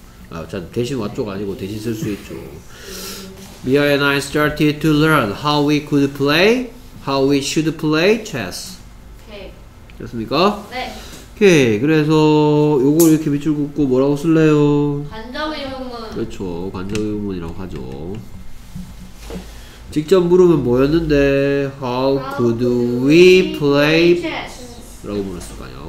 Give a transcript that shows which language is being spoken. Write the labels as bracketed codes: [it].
[ko] 아, 자, 대신 왔죠가 아니고 대신 쓸 수 있죠. [en] Mia and I started to learn how we could play How we should play chess. [ko] 오케이. 됐습니까? 네. 오케이. 그래서 요거 이렇게 밑줄 긋고 뭐라고 쓸래요? 관접의문. 그렇죠. 관접의문이라고 하죠. 직접 물으면 뭐였는데? [en] How could we play chess? [ko] 라고 물었을까요?